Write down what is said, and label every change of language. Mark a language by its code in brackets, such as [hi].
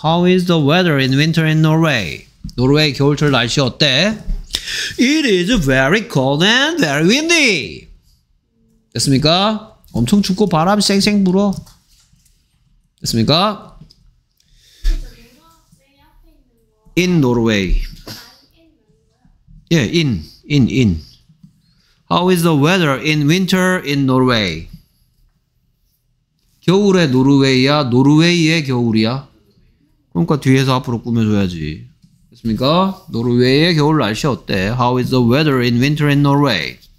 [en] How is the weather in winter in Norway? [ko] 노르웨이 겨울철 날씨 어때? [en] It is very cold and very windy. [ko] 됐습니까? 엄청 춥고 바람 쌩쌩 불어. 됐습니까? [en] In Norway. Yeah, in. How is the weather in winter in Norway? [ko] 겨울에 노르웨이야? 노르웨이의 겨울이야? 그러니까 뒤에서 앞으로 꾸며줘야지. 됐습니까? 노르웨이의 겨울 날씨 어때? [en] How is the weather in winter in Norway?